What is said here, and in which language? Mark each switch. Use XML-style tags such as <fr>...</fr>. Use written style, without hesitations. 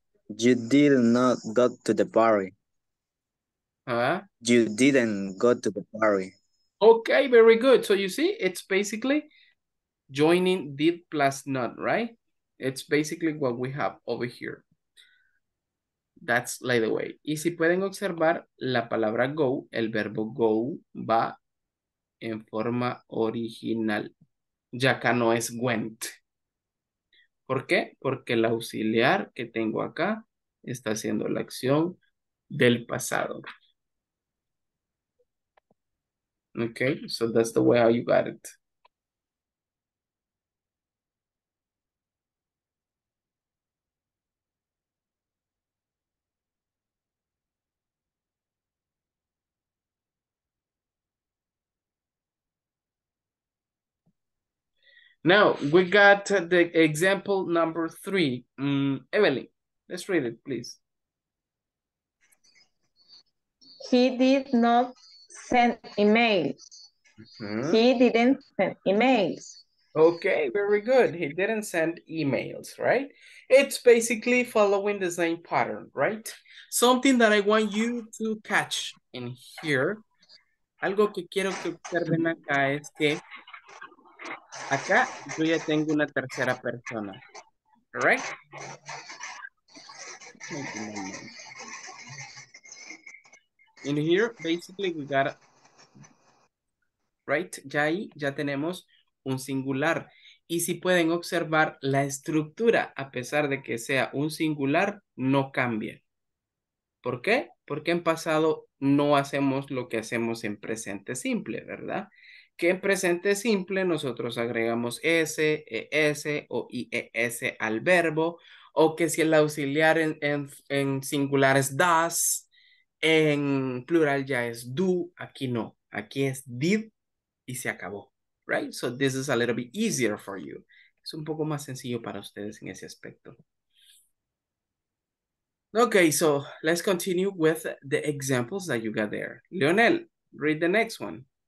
<en>You did not go to the party. You didn't go to the party. Okay, very good. So you see, it's basically joining did plus not, right? It's basically what we have over here. That's like the way.</en> <es>Y si pueden observar la palabra go, el verbo go va en forma original. Ya acá no es went. ¿Por qué? Porque el auxiliar que tengo acá está haciendo la acción del pasado.</es> <en>Okay, so that's the way how you got it. Now, we got the example number three. Evelyn, let's read it, please. He did not send emails. Mm-hmm. He didn't send emails. Okay, very good. He didn't send emails, right? It's basically following the same pattern, right? Something that I want you to catch in here.</en> <es>Algo que quiero que observen acá es que acá yo ya tengo una tercera persona. Right?</es> <en>In here, basically, we got, right?</en> <es>Ya ahí ya tenemos un singular. Y si pueden observar la estructura, a pesar de que sea un singular, no cambia. ¿Por qué? Porque en pasado no hacemos lo que hacemos en presente simple, ¿verdad? Que en presente simple nosotros agregamos S, ES o IES al verbo. O que si el auxiliar en singular es does, en plural ya es do, aquí no. Aquí es did y se acabó, right?</es> <en>So this is a little bit easier for you.</en> <es>Es un poco más sencillo para ustedes en ese aspecto.</es> <en>Okay, so let's continue with the examples that you got there. Leonel, read the next one.</en>